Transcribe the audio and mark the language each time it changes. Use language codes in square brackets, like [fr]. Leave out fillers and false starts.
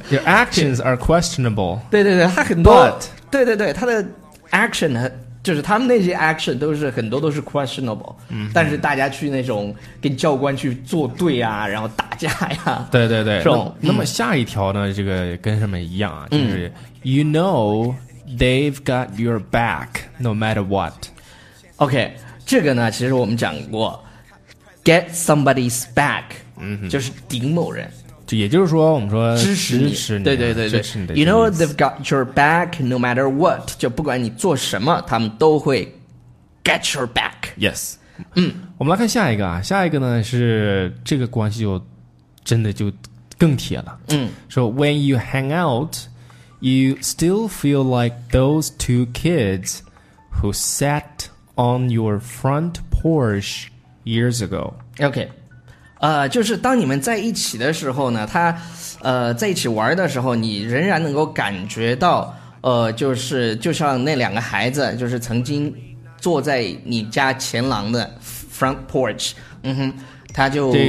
[en] ？Your actions are questionable。 [zh] 对对对，他很多， [en] but, [zh] 对对对，他的。action 就是他们那些 action 都是很多都是 questionable，嗯，但是大家去那种跟教官去作对啊，然后打架呀、啊，对对对，是吧、那么下一条呢，这个跟什么一样啊？ [en] 就是、you know they've got your back no matter what。 [zh] OK， 这个呢，其实我们讲过 ， [en] get somebody's back，嗯， [zh] 就是顶某人。也就是说我们说支持你，对对对对， [en] You know they've got your back no matter what， [zh] 就不管你做什么他们都会 [en] get your back。 Yes，嗯， [zh] 我们来看下一个啊，下一个呢是这个关系就真的就更铁了。嗯， [en] 说、so、when you hang out you still feel like those two kids who sat on your front porch years ago。 [zh] OK，就是当你们在一起的时候呢，他，在一起玩的时候，你仍然能够感觉到，就是就像那两个孩子，就是曾经坐在你家前廊的 front porch， 嗯哼，他就